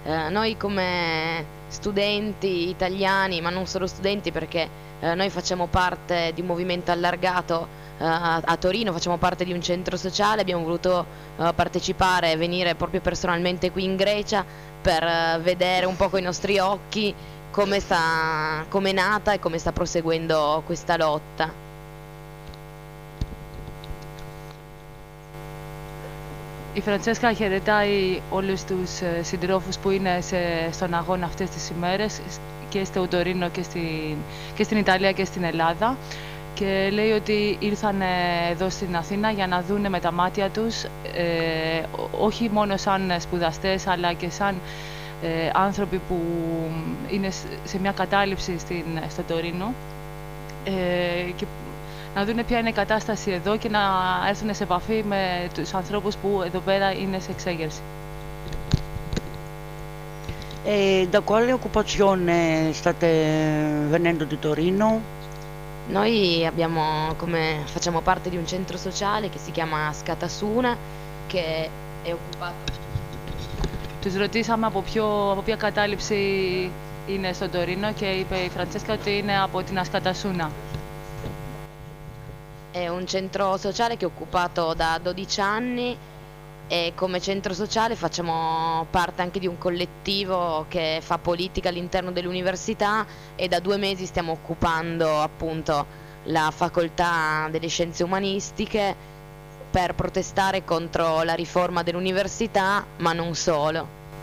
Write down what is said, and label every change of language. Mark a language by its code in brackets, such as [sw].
[it] Noi come studenti italiani, ma non solo studenti, perché noi facciamo parte di un movimento allargato a Torino, facciamo parte di un centro sociale, abbiamo voluto partecipare e venire proprio personalmente qui in Grecia per vedere un po' con i nostri occhi come è nata e come sta proseguendo questa lotta. [el] Η Φραντσέσκα χαιρετάει όλους τους συντρόφους που είναι στον αγώνα αυτές τις ημέρες και στο Τωρίνο και στην Ιταλία και στην Ελλάδα, και λέει ότι ήρθαν εδώ στην Αθήνα για να δούνε με τα μάτια τους, όχι μόνο σαν σπουδαστές αλλά και σαν άνθρωποι που είναι σε μια κατάληψη στο Τωρίνο, και να δουν ποια είναι η κατάσταση εδώ και να έρθουν σε επαφή με τους ανθρώπους που εδώ πέρα είναι σε εξέγερση. [it] Da quale occupazione state venendo di Torino? Noi abbiamo come facciamo parte di un centro sociale che si chiama Scatasuna, che è occupato. [el] Τους ρωτήσαμε από ποια κατάληψη είναι στο Τωρίνο και είπε η Φραντσέσκα ότι είναι από την Ασκατασούνα. [it] È un centro sociale che è occupato da 12 anni e come centro sociale facciamo parte anche di un collettivo che fa politica all'interno dell'università, e da 2 mesi stiamo occupando appunto la facoltà delle scienze umanistiche per protestare contro la riforma dell'università, ma non solo.